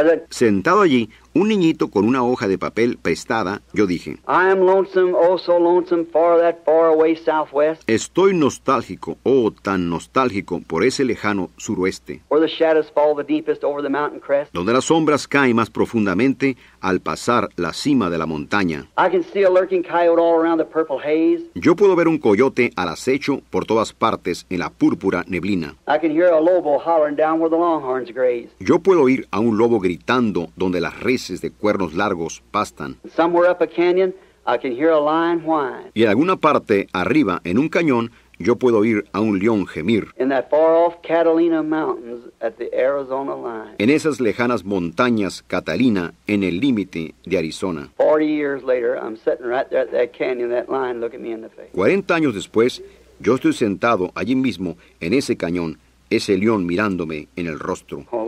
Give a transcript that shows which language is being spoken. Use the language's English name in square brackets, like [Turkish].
[Spanish] Sentado allí, un niñito con una hoja de papel prestada, yo dije, [English] I am lonesome, oh so lonesome, for that far away southwest. [Spanish] Estoy nostálgico, oh tan nostálgico, por ese lejano suroeste. [English] Where the shadows fall the deepest over the mountain crest. [Spanish] Donde las sombras caen más profundamente al pasar la cima de la montaña. [English] I can see a lurking coyote all around the purple haze. [Spanish] Yo puedo ver un coyote al acecho por todas partes en la púrpura neblina. [English] I can hear a lobo hollering down where the longhorns graze. [Spanish] Yo puedo oír a un lobo gritando donde las reses de cuernos largos pastan. [English] Somewhere up a canyon, I can hear a lion whine. [Spanish] Y en alguna parte arriba, en un cañón, yo puedo oír a un león gemir. [English] In that far off Catalina Mountains at the Arizona line. [Spanish] En esas lejanas montañas Catalina, en el límite de Arizona. [English] 40 years later, I'm sitting right there at that canyon, that lion looking me in the face. [Spanish] 40 años después, yo estoy sentado allí mismo en ese cañón, ese león mirándome en el rostro.